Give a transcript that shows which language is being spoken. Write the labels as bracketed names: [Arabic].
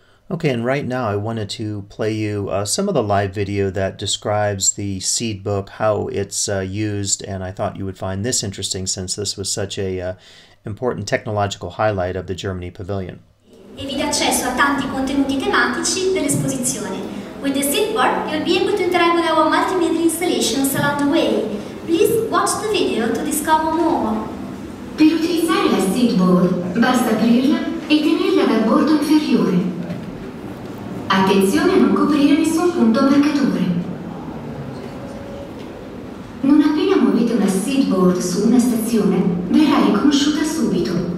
[English] Okay, and right now I wanted to play you some of the live video that describes the seed book, how it's used, and I thought you would find this interesting since this was such a important technological highlight of the Germany Pavilion. [Italian] E vi dà accesso a tanti contenuti tematici dell'esposizione. [English] With the seed book, you'll be able to interact with our multimedia installations along the way. Please watch the video to discover more. [Italian] Per utilizzare la seed board, basta aprirla e tenerla dal bordo inferiore. Attenzione a non coprire nessun punto marcatore. Non appena muovete una seed board su una stazione, verrà riconosciuta subito.